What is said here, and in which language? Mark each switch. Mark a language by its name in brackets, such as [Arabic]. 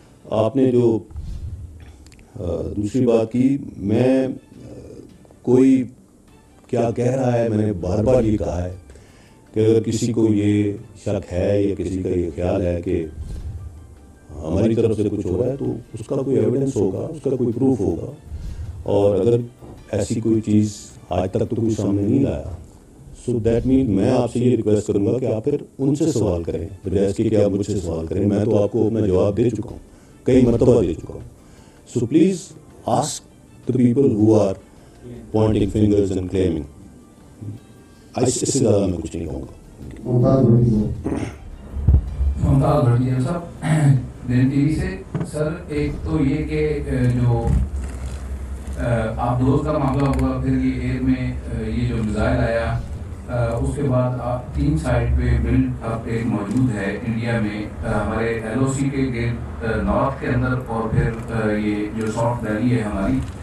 [Urdu] آپ نے جو دوسری بات کی, میں کوئی کیا کہہ رہا ہے, میں نے بار بار یہ کہا ہے کہ اگر کسی کو یہ شک ہے یا کسی کا یہ خیال ہے کہ ہماری طرف سے کچھ ہو رہا ہے تو اس کا کوئی ایویڈنس ہوگا, اس کا کوئی پروف ہوگا, اور اگر ایسی کوئی چیز آج تک تو کوئی سامنے نہیں لایا, [English] so that مین [Urdu] میں آپ سے یہ ریکویسٹ کروں گا کہ آپ پھر ان سے سوال کریں بجائے اس کے کہ آپ مجھ سے سوال کریں. میں تو آپ کو اپنا جواب دے چکا ہوں, کئی مرتبہ دے چکا ہوں. [English] So please ask the people who are pointing fingers and claiming. [Urdu] اس سے زیادہ میں کچھ نہیں کہوں گا. ممتاز بھٹی صاحب دین ٹی وی سے. سر ایک تو یہ کہ جو آپ دوست کا معاملہ ہوا, پھر یہ ایئر میں یہ جو میزائل آیا, اس کے بعد آپ تین سائڈ پہ بلڈ اپ ایک موجود ہے انڈیا میں, ہمارے ایل او سی کے گیٹ نارتھ کے اندر اور پھر یہ جو ساؤتھ دہلی ہے ہماری,